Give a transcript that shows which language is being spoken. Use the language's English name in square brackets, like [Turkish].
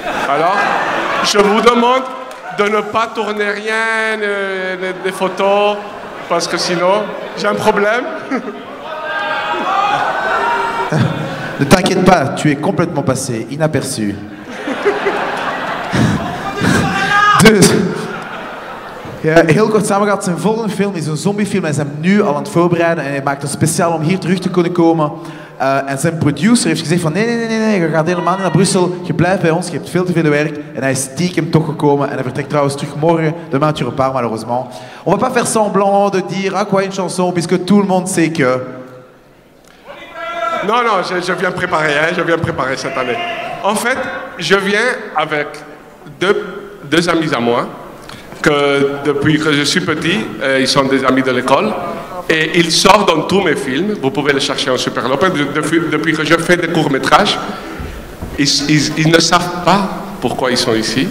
[French] Alors, je vous demande de ne pas tourner rien, des photos, parce que sinon, j'ai un problème. Ne t'inquiète pas, tu es complètement passé, inaperçu. [Dutch] Dus, ja, heel kort samengevat, zijn volgende film is een zombiefilm. Hij is hem nu al aan het voorbereiden en hij maakt het speciaal om hier terug te kunnen komen. En zijn producer heeft gezegd van nee, je gaat helemaal niet naar Brussel. Je blijft bij ons, je hebt veel te veel werk. En hij is stiekem toch gekomen en hij vertrekt trouwens terug morgen. [French] Demain tu repars, malheureusement. On va pas faire semblant de dire à quoi une chanson, puisque tout le monde sait que... Non, je viens préparer, hein, je viens préparer cette année. En fait, je viens avec deux amis à moi, que depuis que je suis petit, ils sont des amis de l'école, et ils sortent dans tous mes films, vous pouvez les chercher en Superlope, depuis que je fais des courts-métrages, ils ne savent pas pourquoi ils sont ici.